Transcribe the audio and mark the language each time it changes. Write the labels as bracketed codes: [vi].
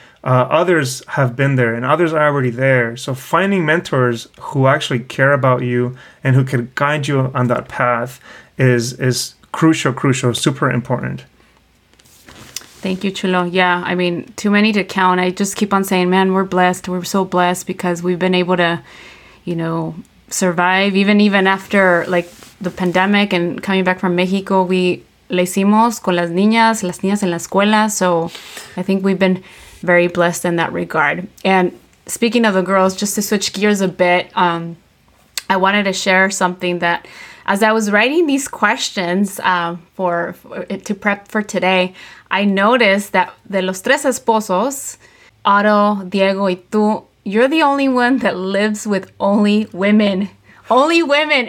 [en] Others have been there and others are already there. So finding mentors who actually care about you and who can guide you on that path is crucial, super important. Thank you, Chulo. Yeah, I mean, too many to count. I just keep on saying, man, we're blessed. We're so blessed because we've been able to, survive even after like the pandemic and coming back from Mexico. [es] We le hicimos con las niñas en la escuela. [en] So I think we've been very blessed in that regard. And speaking of the girls, just to switch gears a bit, I wanted to share something that as I was writing these questions to prep for today, I noticed that [es] de los tres esposos, Otto, Diego, y tú, [en] you're the only one that lives with only women. Only women.